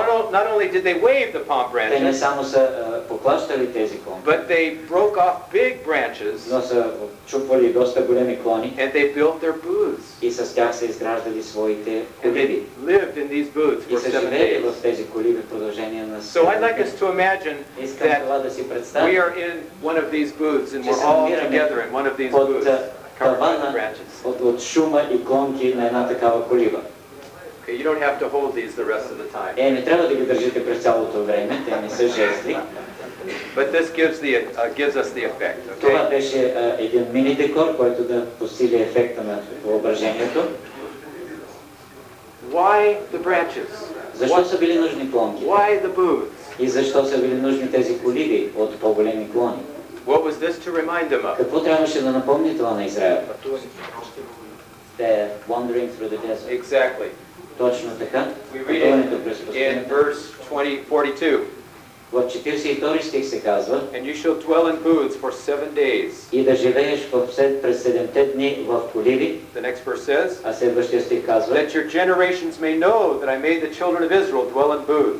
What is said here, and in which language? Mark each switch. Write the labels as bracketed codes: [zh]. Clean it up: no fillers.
[en] Not only did they wave the palm branches, but they broke off big branches and they built their booths. And they lived in these booths for 7 days. So I'd like us to imagine that we are in one of these booths and we're all together in one of these booths. [bg] От шума и клонки на една такава колиба. [en] Okay, you don't have to hold these the rest of the time. [bg] Е, не трябва да ги държите през цялото време, те не са жестри. [en] But this gives the gives us the effect. Okay? [bg] Това беше един мини декор, който да посили ефекта на въображението. [en] Why the branches? [bg] Защо са били нужни клонки? [en] Why the booths? [bg] И защо са били нужни тези колиби от по-големи клони? [en] What was this to remind them of? [bg] Какво трябваше да напомни това на Израел? [en] They're wandering through the desert. Exactly. [bg] Точно така. [en] We read it in verse [bg] 20, 42. В 42 стих се казва. [en] And you shall dwell in booths for 7 days. [bg] И да живееш през 7-те дни в колиби. [en] The next verse says. [bg] А следващия стих казва. [en] Let your generations may know that I made the children of Israel dwell in booths.